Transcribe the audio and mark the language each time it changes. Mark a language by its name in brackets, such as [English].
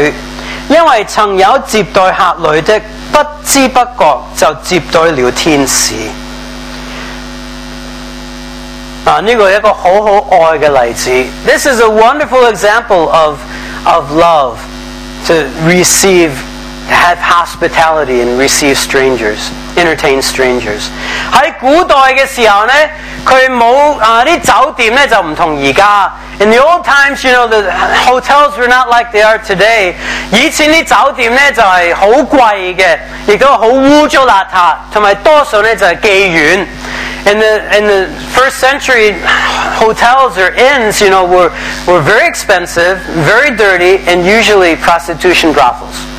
[Chinese] 不可忘记用爱心接待客旅，因为曾有接待客旅的， 不知不觉就接待了天使。这个是一个很好爱的例子。 [English] This is a wonderful example of love, to receive, have hospitality and receive strangers, entertain strangers. [Chinese] 在古代的时候呢， 他没有这些酒店呢，就不同现在。 [English] In the old times, you know, the hotels were not like they are today. [Chinese] 以前的酒店呢，就是很贵的，也都很污糟邋遢，还有多数呢，就是妓院。 [English] In the first century, hotels or inns, you know, were very expensive, very dirty, and usually prostitution brothels.